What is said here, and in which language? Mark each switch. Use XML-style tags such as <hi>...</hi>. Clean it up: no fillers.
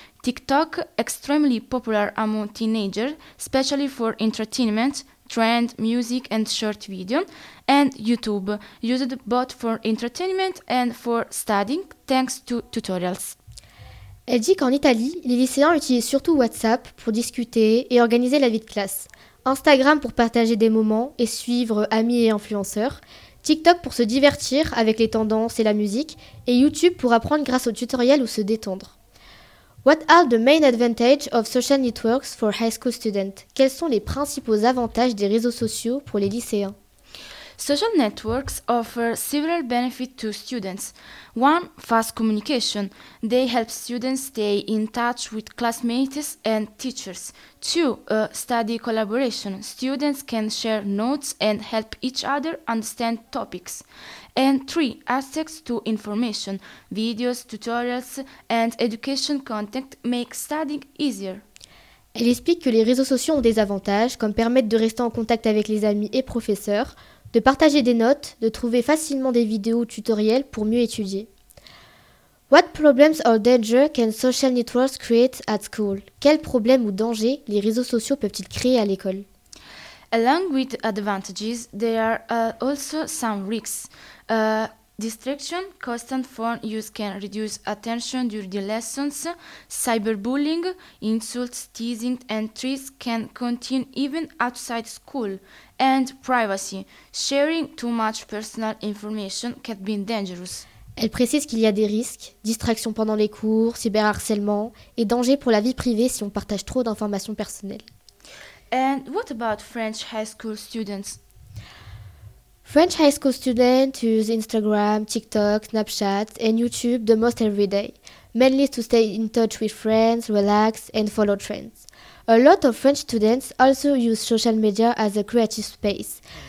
<en>TikTok, extremely popular among teenagers, especially for entertainment, trend, music and short video. And YouTube, used both for entertainment and for studying, thanks to tutorials.</en> <fr>Elle dit qu'en Italie, les lycéens utilisent surtout WhatsApp pour discuter et organiser la vie de classe. Instagram pour partager des moments et suivre amis et influenceurs, TikTok pour se divertir avec les tendances et la musique, et YouTube pour apprendre grâce aux tutoriels ou se détendre.</fr> <en>What are the main advantages of social networks for high school students?</en> <fr>Quels sont les principaux avantages des réseaux sociaux pour les lycéens?</fr> <en>Social networks offer several benefits to students. One, fast communication. They help students stay in touch with classmates and teachers. Two, study collaboration. Students can share notes and help each other understand topics. And three, access to information. Videos, tutorials and education content make studying easier.</en> <fr>Elle explique que les réseaux sociaux ont des avantages, comme permettre de rester en contact avec les amis et professeurs, de partager des notes, de trouver facilement des vidéos ou tutoriels pour mieux étudier.</fr> <en>What problems or danger can social networks create at school?</en> <fr>Quels problèmes ou dangers les réseaux sociaux peuvent-ils créer à l'école?</fr> <en>Along with advantages, there are also some risks. Distraction, constant phone use can reduce attention during the lessons, cyberbullying, insults, teasing and threats can continue even outside school, and privacy, sharing too much personal information can be dangerous.</en> <fr>Elle précise qu'il y a des risques, distraction pendant les cours, cyberharcèlement et danger pour la vie privée si on partage trop d'informations personnelles.</fr> <en>And what about French high school students? French high school students use Instagram, TikTok, Snapchat and YouTube the most every day, mainly to stay in touch with friends, relax and follow trends. A lot of French students also use social media as a creative space.</en>